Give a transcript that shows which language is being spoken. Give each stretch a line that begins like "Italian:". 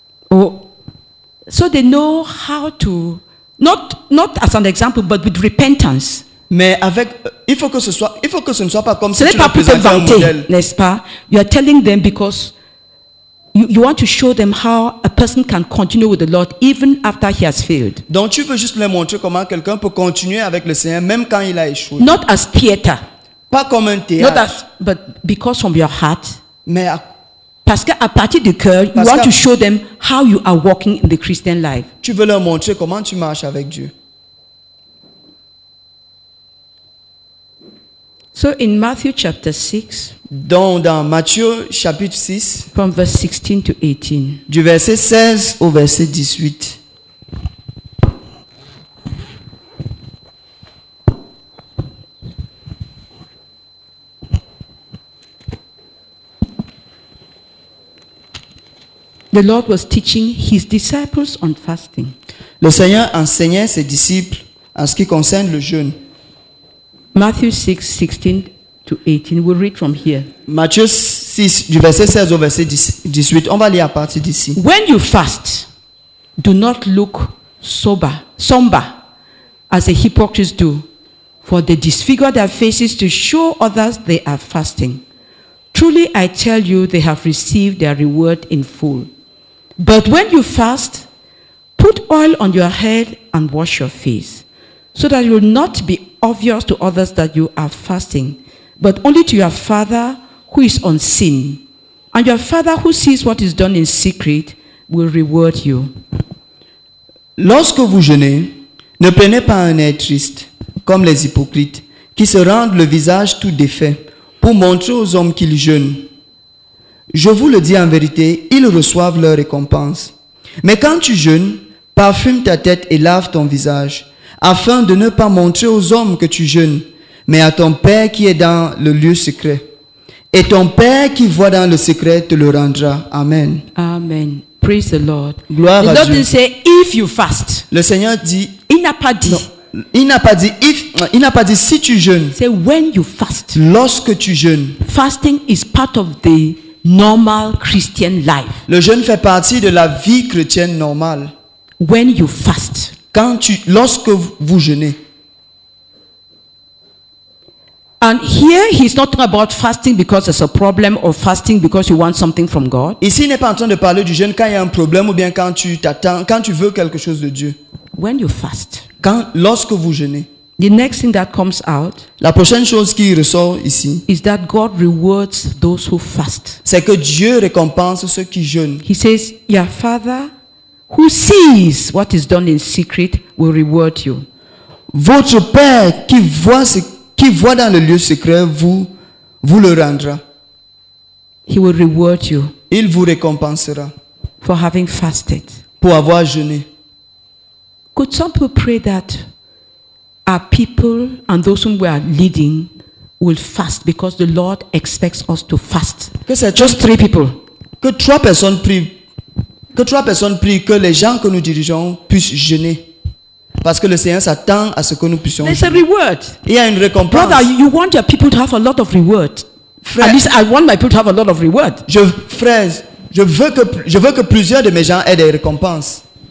English: Oh, so they know how to not as an example, but with repentance.
French: Mais avec il faut que ce ne soit pas comme si tu l'as présenté vanté, un modèle, n'est-ce pas?
English: You are telling them because you want to show them how a person can continue with the Lord even after he has failed.
French: Donc tu veux juste leur montrer comment quelqu'un peut continuer avec le Seigneur même quand il a échoué.
English: Not as theatre.
French: Pas comme un théâtre.
English: Not as, but because from your heart.
French: Mais parce que à partir du cœur,
English: you want to show them how you are walking in the Christian life.
French: Tu veux leur montrer comment tu marches avec Dieu.
English: So in Matthew chapter 6,
French: donc dans Matthieu chapitre 6,
English: from verse 16 to 18,
French: du verset 16 au verset 18.
English: The Lord was teaching his disciples on fasting.
French: Le Seigneur enseignait ses disciples en ce qui concerne le jeûne.
English: Matthieu 6, 16 to 18. We'll read from here.
French: Matthieu 6, du verset 16 au verset 18. On va lire à partir d'ici.
English: When you fast, do not look somber as the hypocrites do, for they disfigure their faces to show others they are fasting. Truly, I tell you, they have received their reward in full. But when you fast, put oil on your head and wash your face, so that it will not be obvious to others that you are fasting, but only to your Father who is unseen. And your Father who sees what is done in secret will reward you.
French: Lorsque vous jeûnez, ne prenez pas un air triste, comme les hypocrites, qui se rendent le visage tout défait, pour montrer aux hommes qu'ils jeûnent. Je vous le dis en vérité, ils reçoivent leur récompense. Mais quand tu jeûnes, parfume ta tête et lave ton visage, afin de ne pas montrer aux hommes que tu jeûnes, mais à ton Père qui est dans le lieu secret. Et ton Père qui voit dans le secret te le rendra.
English: Amen. Amen. Praise the Lord.
French: Gloire
English: the
French: à
English: Lord
French: Dieu.
English: Didn't say, if you fast.
French: Le Seigneur dit, il n'a pas dit. Non, il n'a pas dit si tu jeûnes.
English: Say when you fast.
French: Lorsque tu jeûnes.
English: Fasting is part of the normal Christian life.
French: Le jeûne fait partie de la vie chrétienne normale.
English: When you fast.
French: Lorsque vous jeûnez.
English: And here he's not talking about fasting because there's a problem or fasting because you want something from God.
French: Ici, il n'est pas en train de parler du jeûne quand il y a un problème ou bien quand tu t'attends, quand tu veux quelque chose de Dieu.
English: When you fast.
French: Lorsque vous jeûnez.
English: The next thing that comes out.
French: La prochaine chose qui ressort ici.
English: Is that God rewards those who fast.
French: C'est que Dieu récompense ceux qui jeûnent.
English: He says, your Father who sees what is done in secret will reward you.
French: Votre Père qui voit ce qui voit dans le lieu secret vous le rendra.
English: He will reward you.
French: Il vous récompensera.
English: For having fasted.
French: Pour avoir jeûné.
English: Could some people pray that our people and those whom we are leading will fast because the Lord expects us to fast? Just three people.
French: Que trois personnes prient. Que trois personnes prient que les gens que nous dirigeons puissent jeûner. Parce que le Seigneur s'attend à ce que nous puissions jeûner.
English: There's a reward.
French: Il y a une récompense.
English: Brother, you want your people to have a lot of reward.
French: Frère,
English: at least I want my people to have a lot of reward.
French: Je veux que plusieurs de mes gens aient des récompenses.